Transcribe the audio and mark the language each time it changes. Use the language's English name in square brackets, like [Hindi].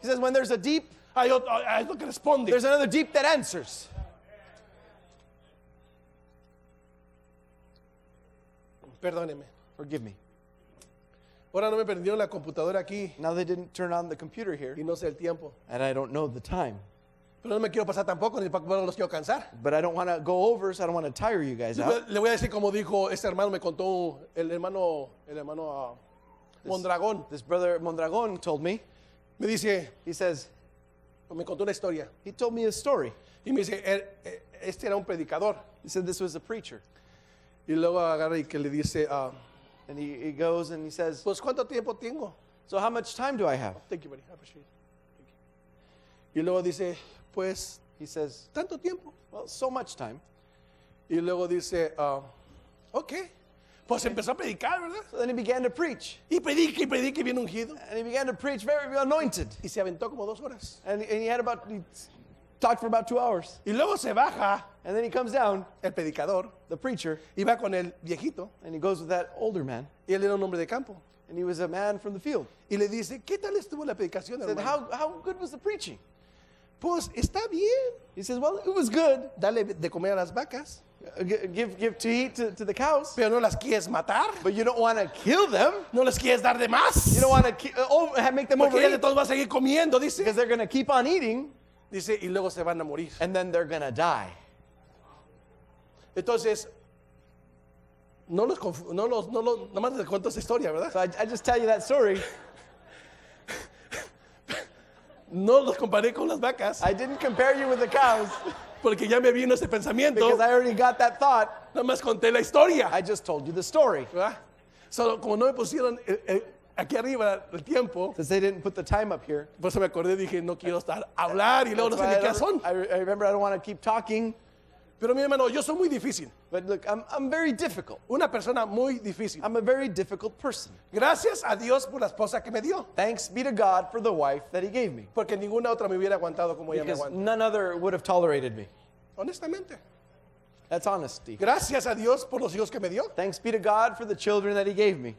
[English] He says when there's a deep. [Spanish] Hay otro que responde. [English] There's another deep that answers. [Spanish] Perdóneme. [English] Forgive me. [Spanish] Ahora no me prendieron la computadora aquí. [English] Now they didn't turn on the computer here. [Spanish] Y no sé el tiempo. [English] And I don't know the time. [Spanish] Pero no me quiero pasar tampoco, ni tampoco los quiero cansar. [English] But I don't want to go over, so I don't want to tire you guys out. [Spanish] Le voy a decir como dijo este hermano, me contó el hermano Mondragón. [English] This brother Mondragón told me. [Spanish] Me dice. [English] He says. [Spanish] Me contó una historia. [English] He told me a story. [Spanish] Y me dice, este era un predicador. [English] He said this was a preacher. [Spanish] Y luego agarra y que le dice a... [English] And he goes and he says, [Spanish] pues ¿cuánto tiempo tengo? [English] So how much time do I have? Oh, thank you, buddy. I appreciate it. Thank you. [Spanish] Y luego dice, pues, [English] he says, [Spanish] ¿tanto tiempo? [English] Well, so much time. [Spanish] Y luego dice, okay. Pues empezó a predicar, ¿verdad? [English] So then he began to preach. [Spanish] Y predique, predique bien ungido. [English] And he began to preach very anointed. [Spanish] Y se aventó como dos horas. [English] And he had about, he talked for about 2 hours. [Spanish] Y luego se baja. [English] And then he comes down, [Spanish] el predicador, [English] the preacher, [Spanish] y va con el viejito, [English] and he goes with that older man, [Spanish] y él era un hombre de campo, [English] and he was a man from the field. [Spanish] Y le dice, ¿qué tal estuvo la predicación, hermano? [English] He said, how good was the preaching? [Spanish] Pues, está bien. [English] He says, well, it was good. [Spanish] Dale de comer a las vacas. [English] Give to eat to the cows. [Spanish] Pero no las quieres matar. [English] But you don't want to kill them. [Spanish] No les quieres dar de más. [English] You don't want to make them [Spanish] Porque [English] overeat. [Spanish] De todos va a seguir comiendo, dice. [English] Because they're going to keep on eating. [Spanish] Dice, y luego se van a morir. [English] And then they're going to die. [Spanish] Entonces, No los no los nomás les cuento esa historia, ¿verdad? [English] So I just tell you that story. [Spanish] No los comparé con las vacas. [English] I didn't compare you with the cows. [Spanish] Porque ya me vino ese pensamiento. [English] Because I already got that thought. [Spanish] Nomás conté la historia. [English] I just told you the story. [Spanish] Solo como no me pusieron aquí arriba el tiempo. [English] Since they didn't put the time up here. [Spanish] Por eso me acordé, dije, no quiero estar a hablar y luego no sé ni qué son. [English] I remember I don't want to keep talking. [Spanish] Pero mi hermano, yo soy muy difícil. [English] But look, I'm very difficult. [Spanish] Una persona muy difícil. [English] I'm a very difficult person. [Spanish] Gracias a Dios por la esposa que me dio. [English] Thanks be to God for the wife that he gave me. [Spanish] Porque ninguna otra me hubiera aguantado como ella me aguanta. [English] Because none other would have tolerated me. [Spanish] Honestamente. [English] That's honesty. [Spanish] Gracias a Dios por los hijos que me dio. [English] Thanks be to God for the children that he gave me.